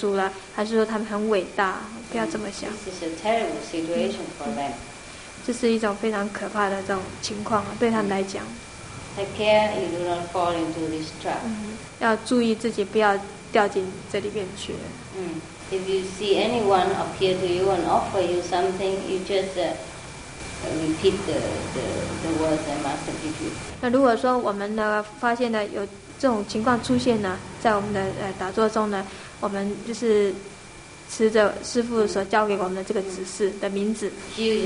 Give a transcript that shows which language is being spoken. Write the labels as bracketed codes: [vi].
[zh] 但是我们不要想以为他们这些人非常的特殊了，还是说他们很伟大，不要这么想。 [en] This is a terrible situation for them. [zh] 这是一种非常可怕的这种情况，对他们来讲。 [en] Take care you do not fall into this trap. [zh] 要注意自己不要掉进这里面去。 [en] If you see anyone appear to you and offer you something, you just repeat the words that master give you. [zh] 那如果说我们呢发现呢有这种情况出现呢，在我们的打坐中呢，我们就是持着师父所教给我们的这个指示的名字。 [en] Choose